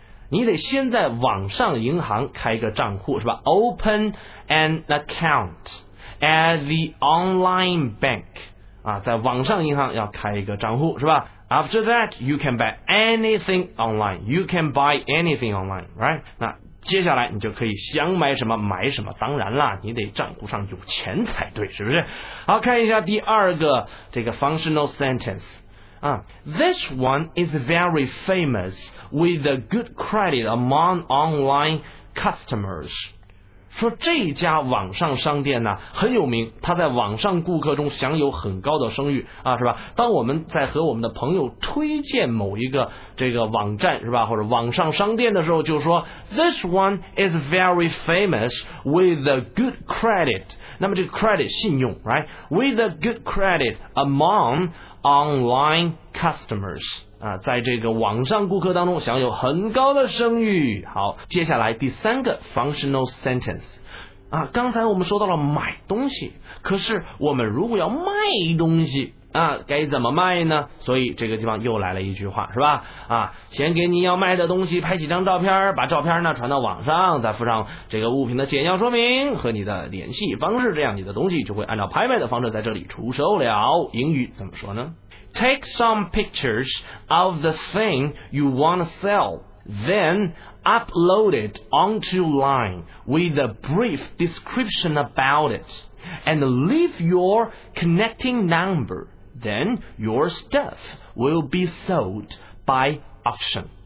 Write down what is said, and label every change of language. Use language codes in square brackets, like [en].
[zh] 你得先在网上银行开个账户，是吧 ？ [en] Open an account at the online bank. [zh] 啊，在网上银行要开一个账户，是吧 ？ [en] After that, you can buy anything online. You can buy anything online, right? [zh] 那接下来你就可以想买什么买什么，当然啦，你得账户上有钱才对，是不是？好，看一下第二个这个 [en] functional sentence 啊 ，This one is very famous with a good credit among online customers。 [zh] 说这家网上商店呢很有名，它在网上顾客中享有很高的声誉啊，是吧？当我们在和我们的朋友推荐某一个这个网站是吧，或者网上商店的时候，就说 [en] This one is very famous with a good credit. 那么这个 credit [zh] 信用 [en] ，right? With a good credit among online customers. [zh] 啊，在这个网上顾客当中享有很高的声誉。好，接下来第三个 functional sentence。啊，刚才我们说到了买东西，可是我们如果要卖东西啊，该怎么卖呢？所以这个地方又来了一句话，是吧？啊，先给你要卖的东西拍几张照片，把照片呢传到网上，再附上这个物品的简要说明和你的联系方式，这样你的东西就会按照拍卖的方式在这里出售了。英语怎么说呢？ [en] Take some pictures of the thing you want to sell, then. Upload it onto line with a brief description about it and leave your connecting number. Then your stuff will be sold by auction.